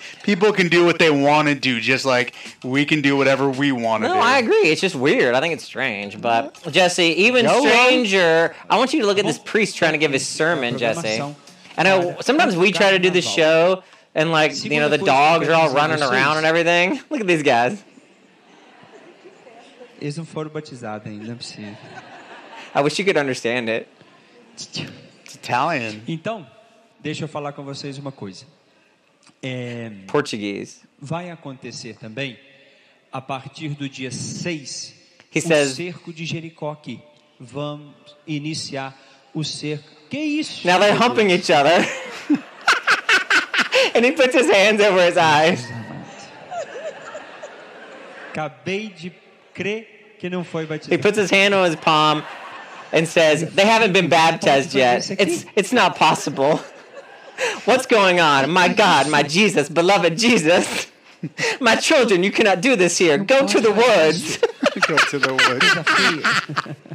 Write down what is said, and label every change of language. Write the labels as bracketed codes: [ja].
[en] People can do what they want to do, just like we can do whatever we want to do. No, I agree. It's just weird. I think it's strange. But, Jesse, even stranger, I want you to look at this priest trying to give his sermon, Jesse. I know sometimes we try to do this show, and, like, you know, the dogs are all running around and everything. Look at these guys. [pt] Eles não foram batizados ainda, não é possível. [en] I wish you could understand it. It's Italian. [pt] Então, deixa eu falar com vocês uma coisa. [en] Portuguese. [pt] Vai acontecer também, a partir do dia 6, [en] he says, [pt] o cerco de Jericó aqui. Vamos iniciar o cerco. Que isso? [en] Now they're humping each other. And he puts his hands over his eyes. [pt] Acabei de crer que não foi batizado. [en] He puts his hand on his palm and says, they haven't been baptized yet. It's not possible. What's going on? My God, my Jesus, beloved Jesus. My children, you cannot do this here. Go to the woods. Go to the woods.